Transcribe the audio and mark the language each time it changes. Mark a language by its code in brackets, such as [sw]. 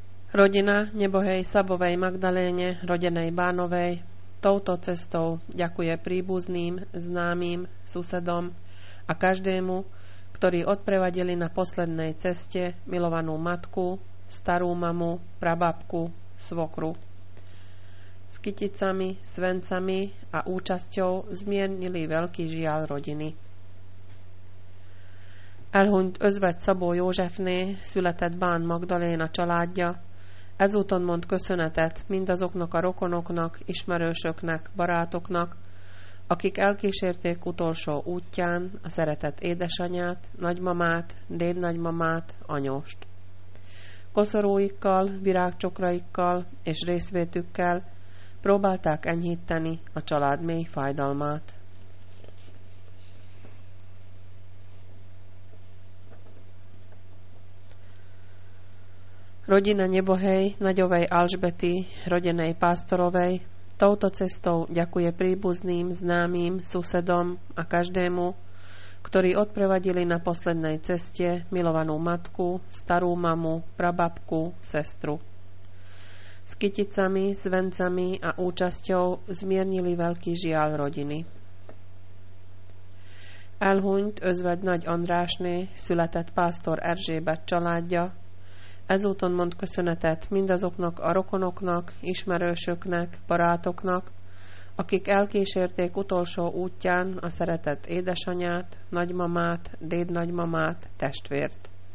[sk] Rodina nebohej Sabovej Magdaléne, rodenej Bánovej, touto cestou ďakuje príbuzným, známym, susedom a každému, ktorí odprevadili na poslednej ceste milovanú matku, starú mamu, prababku, svokru. S kyticami, svencami a účasťou zmiernili veľký žial rodiny. [hu] Elhunyt özvegy Szabó Józsefné, született Bán Magdaléna családja, ezúton mond köszönetet mindazoknak a rokonoknak, ismerősöknek, barátoknak, akik elkísérték utolsó útján a szeretett édesanyját, nagymamát, dédnagymamát, anyóst. Koszorúikkal, virágcsokraikkal és részvétükkel próbálták enyhíteni a család mély fájdalmát. [sk] Rodina nebohej Nagyovej Alžbety, rodenej Pásztorovej, touto cestou ďakuje príbuzným, známym, susedom a každému, ktorí odprevadili na poslednej ceste milovanú matku, starú mamu, prababku, sestru. S kyticami, svencami a účasťou zmiernili veľký žial rodiny. [hu] Elhunyt özvegy Nagy Andrásné, született Pásztor Erzsébet családja, ezúton mond köszönetet mindazoknak a rokonoknak, ismerősöknek, barátoknak, akik elkísérték utolsó útján a szeretett édesanyját, nagymamát, dédnagymamát, testvért.